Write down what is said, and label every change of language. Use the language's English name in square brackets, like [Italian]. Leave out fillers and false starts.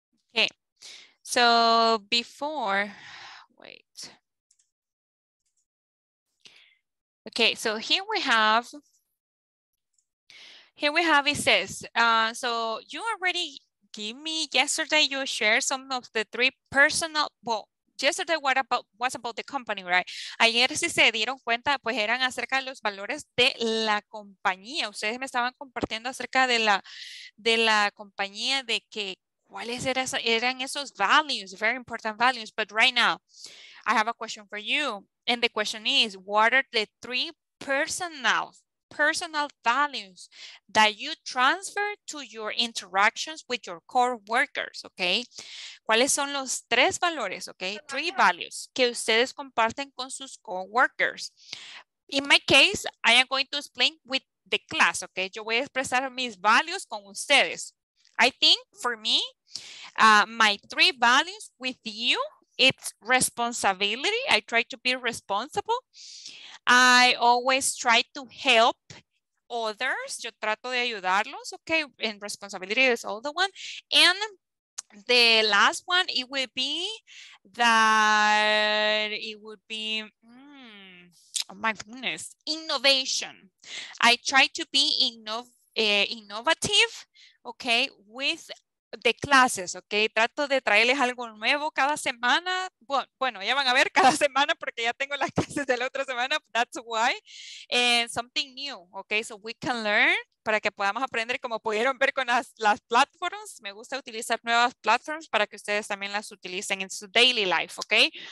[English] Okay, so before, Okay, so here we have, it says, so you already gave me yesterday, you shared some of the three personal, well, yesterday, what about the company, right? [Spanish] Ayer si se dieron cuenta, pues eran acerca de los valores de la compañía. Ustedes me estaban compartiendo acerca de la compañía, de que cuáles eran esos values, very important values. [English] But right now, I have a question for you. And the question is, what are the three personal values that you transfer to your interactions with your co-workers, okay? [Spanish] ¿Cuáles son los tres valores, okay? Three values que ustedes comparten con sus co-workers. [English] In my case, I am going to explain with the class, okay? [Spanish] Yo voy a expresar mis values con ustedes. [English] I think for me, my three values with you, it's responsibility. I try to be responsible. I always try to help others. [Spanish] Yo trato de ayudarlos, okay? And responsibility is all the one. [English] And the last one, it would be that it would be, oh my goodness, innovation. I try to be innovative, okay, with the classes, okay? [Spanish] Trato de traerles algo nuevo cada semana. Bueno, ya van a ver cada semana porque ya tengo las clases de la otra semana. That's why. And something new, okay? So we can learn para que podamos aprender, como pudieron ver con las platforms. Me gusta utilizar nuevas platforms para que ustedes también las utilicen en su daily life, okay?